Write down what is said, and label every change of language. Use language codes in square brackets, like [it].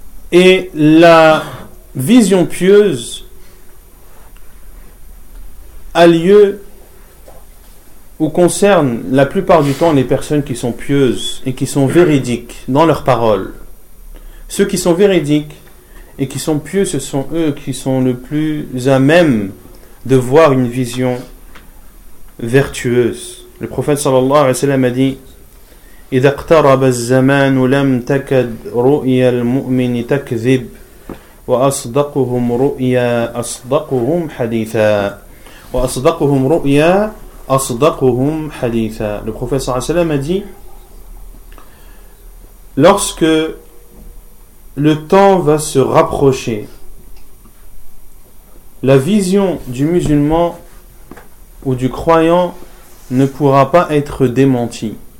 [fr] Et la vision pieuse a lieu ou concerne la plupart du temps les personnes qui sont pieuses et qui sont véridiques dans leurs paroles. Ceux qui sont véridiques et qui sont pieux, ce sont eux qui sont le plus à même de voir une vision vertueuse. Le prophète sallallahu alayhi wa sallam a dit: [ar] إذا اقترب الزمان لم تكد رؤيا المؤمن تكذب وأصدقهم رؤيا أصدقهم حديثا وأصدقهم رؤيا أصدقهم حديثا. [fr] Le prophète sallallahu alayhi wa sallam a dit: lorsque le temps va se rapprocher, la vision du musulman ou du croyant ne pourra pas être démentie.